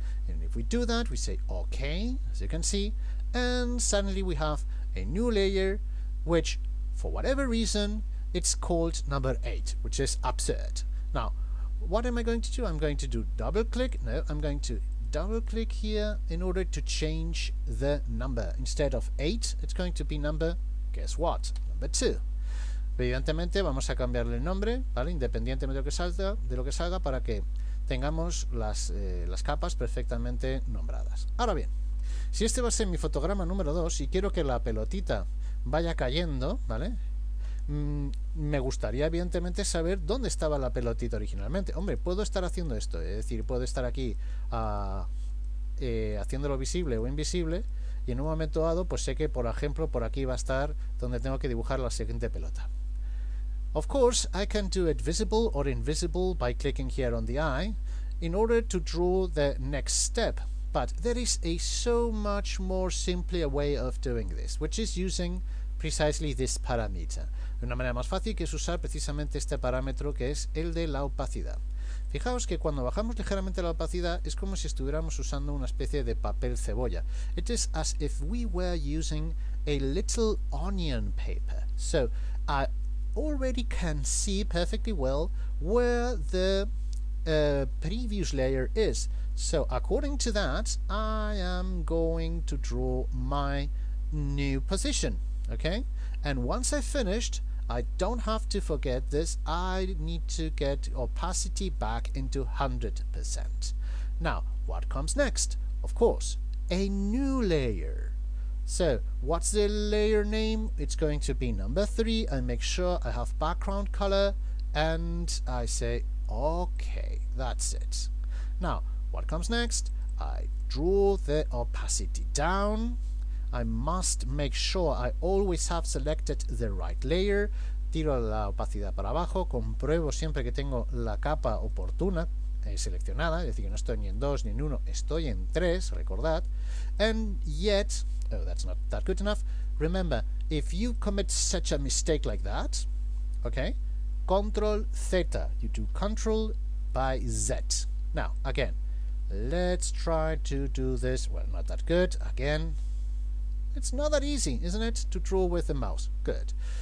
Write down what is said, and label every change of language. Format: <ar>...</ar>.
<en>And if we do that, we say OK, as you can see, and suddenly we have a new layer, which, for whatever reason, it's called number 8, which is absurd. Now, what am I going to do? I'm going to do double click. No, I'm going to double click here in order to change the number. Instead of 8, it's going to be number, guess what? Number 2.</en> <es>Evidentemente, vamos a cambiarle el nombre, ¿vale? Independientemente de lo que salga, para que tengamos las capas perfectamente nombradas. Ahora bien, si este va a ser mi fotograma número 2 y quiero que la pelotita vaya cayendo, ¿vale? Me gustaría evidentemente saber dónde estaba la pelotita originalmente. Hombre, puedo estar haciendo esto, es decir, puedo estar aquí haciéndolo visible o invisible, y en un momento dado pues sé que, por ejemplo, por aquí va a estar donde tengo que dibujar la siguiente pelota.</es> <en>Of course, I can do it visible or invisible by clicking here on the eye in order to draw the next step, but there is a so much more simpler way of doing this, which is using precisely this parameter.</en> <es>De una manera más fácil, que es usar precisamente este parámetro, que es el de la opacidad. Fijaos que cuando bajamos ligeramente la opacidad es como si estuviéramos usando una especie de papel cebolla.</es> <en>It is as if we were using a little onion paper. So I already can see perfectly well where the previous layer is. So according to that, I am going to draw my new position. Okay, and once I've finished, I don't have to forget this, I need to get opacity back into 100%. Now, what comes next? Of course, a new layer. So, what's the layer name? It's going to be number 3. I make sure I have background color, and I say, okay, that's it. Now, what comes next? I draw the opacity down. I must make sure I always have selected the right layer.</en> <es>Tiro la opacidad para abajo, compruebo siempre que tengo la capa oportuna seleccionada, es decir, que no estoy ni en 2 ni en 1, estoy en 3, recordad.</es> <en>And yet, oh, that's not that good enough. Remember, if you commit such a mistake like that, okay, control Z, you do control by Z. Now, again, let's try to do this. Well, not that good, again. It's not that easy, isn't it, to draw with the mouse? Good.</en>